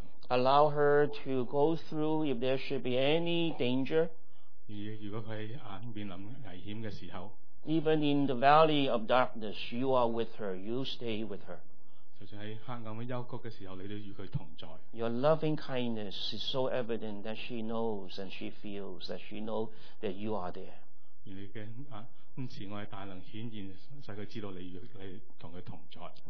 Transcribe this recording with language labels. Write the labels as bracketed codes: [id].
[en] Allow her to go through if there should be any danger. [zh] 如果她面临危险的时候, [en] even in the valley of darkness, you are with her, you stay with her. [zh] 就算在黑暗的幽谷的时候, 你都与她同在。 [en] Your loving kindness is so evident that she knows and she feels that she knows that you are there. [zh] 而你的慈爱大能显现使她知道你与你同她同在。